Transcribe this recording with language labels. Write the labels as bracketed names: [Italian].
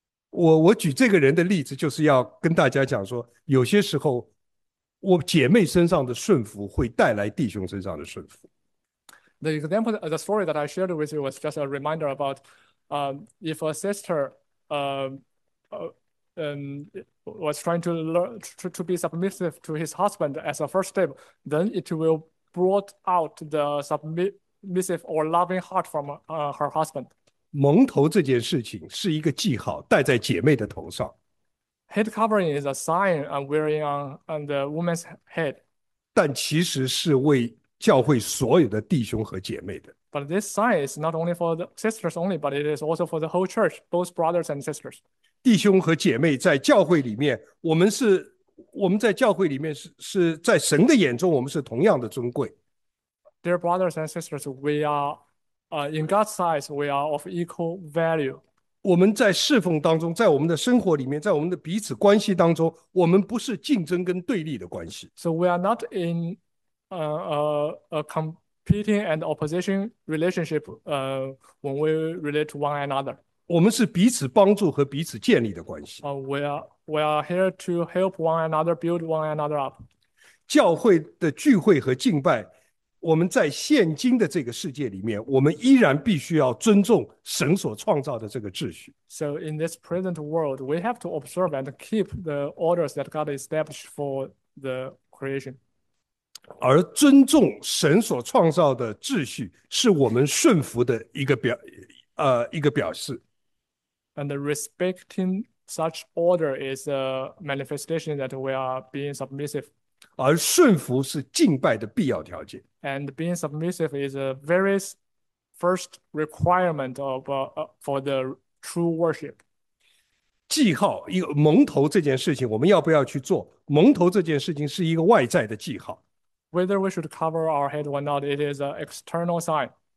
[Chinese] 我举这个人的例子，就是要跟大家讲说，有些时候，我姐妹身上的顺服会带来弟兄身上的顺服。 [English] The story that I shared with you was just a reminder about if a sister was trying to learn to be submissive to his husband as a first step, then it will brought out the submissive or loving heart from her husband. [Chinese] 蒙头这件事情是一个记号，戴在姐妹的头上。 [English] Head covering is a sign I'm wearing on the woman's head. [Chinese] 但其实是为教会所有的弟兄和姐妹的。 [English] But this sign is not only for the sisters only, but it is also for the whole church, both brothers and sisters. [Chinese] 弟兄和姐妹在教会里面，我们在教会里面是在神的眼中，我们是同样的尊贵。 [English] Dear brothers and sisters, we are, in God's eyes, we are of equal value. [Chinese] 我们在侍奉当中，在我们的生活里面，在我们的彼此关系当中，我们不是竞争跟对立的关系。 [English] So we are not in, a com competing and opposition relationship, when we relate to one another. [Chinese] 我们是彼此帮助和彼此建立的关系。 [English] We are here to help one another, build one another up. [Chinese] 教会的聚会和敬拜，我们在现今的这个世界里面，我们依然必须要尊重神所创造的这个秩序。 [English] So in this present world, we have to observe and keep the orders that God established for the creation. [Chinese] 而尊重神所创造的秩序，是我们顺服的一个表示。 [English] And respecting such order is a manifestation that we are being submissive. [Chinese] 而顺服是敬拜的必要条件。 [English] And being submissive is a very first requirement of for the true worship. [Chinese] 记号，一个蒙头这件事情，我们要不要去做？蒙头这件事情是一个外在的记号。 [English] Whether we should cover our head or not, it is an external sign.